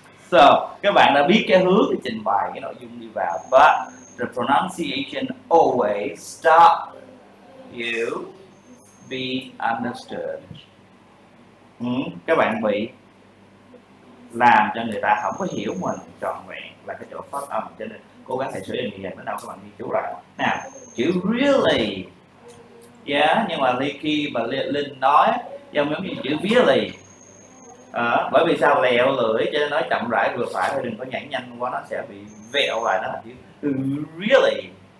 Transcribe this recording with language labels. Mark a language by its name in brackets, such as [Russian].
[Vietnamese] So, các bạn đã biết cái hướng để trình bày cái nội dung đi vào. [English] But the pronunciation always stop you be understood. [Vietnamese] Các bạn bị làm cho người ta không có hiểu mình trọn vẹn là cái chỗ phát âm, cho nên cố gắng hãy sửa như vậy. Bắt đầu các bạn ghi chú lại nào, chữ really, yeah, nhưng mà Liki và Linh nói giống như chữ really, bởi vì sao lẹo lưỡi cho nên nói chậm rãi vừa phải thôi, đừng có nhảy nhanh quá nó sẽ bị vẹo lại, nó là chữ really.